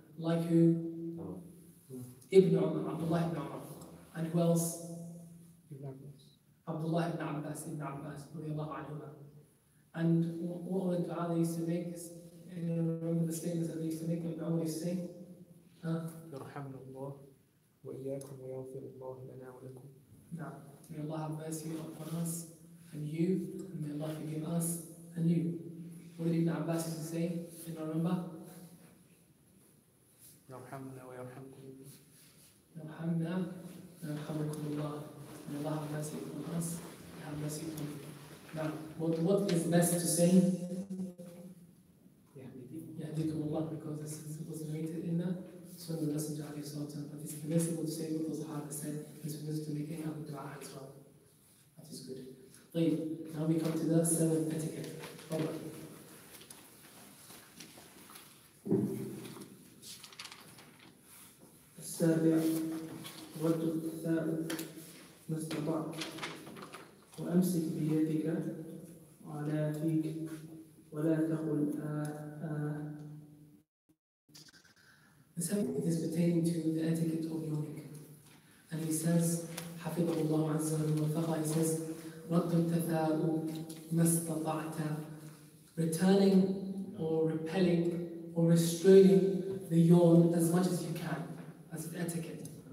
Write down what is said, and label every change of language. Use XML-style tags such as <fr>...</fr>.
<en>Like who? Ibn Umar, Abdullah ibn Umar. And who else? Ibn Abbas,</en> <ar>radiallahu anhuma.</ar> <en>And what were the dua they used to make? Anyone remember the statements that they used to make when Umar used to say?</en> <ar>وإياكم ويغفر الله لنا ولكم. نعم.</ar> <en>May Allah have mercy upon us and you, and may Allah forgive us and you. What did Ibn Abbas used to say? Do you remember?</en> <ar>يرحمنا ويرحمكم. يرحمنا ويرحمكم الله.</ar> <en>May Allah have mercy upon us and have mercy upon you. Now, what is mercy to say?</en> <ar>يهديكم</ar> <en>الله, because this was narrated in the So the Messenger Ali Sultan, but it's permissible to say what the Sahaba said, it's permissible to make any other dua as well. That is good. طيب, now we come to the seventh etiquette. Okay.</en> <ar>السابع رد الثائب ما استطعت وأمسك بيدك على فيك ولا تقل</ar> <en>The seventh is pertaining to the etiquette of yawning. And he says,</en> <ar>حَفِظَهُ اللَّهُ عَزَّهُ وَفَقَى</ar> <en>He says,</en> <ar>رَدُّ التَّثَاؤُ مَا اسْتَطَعْتَ</ar> <en>returning or repelling or restraining the yawn as much as you can, as an etiquette.</en>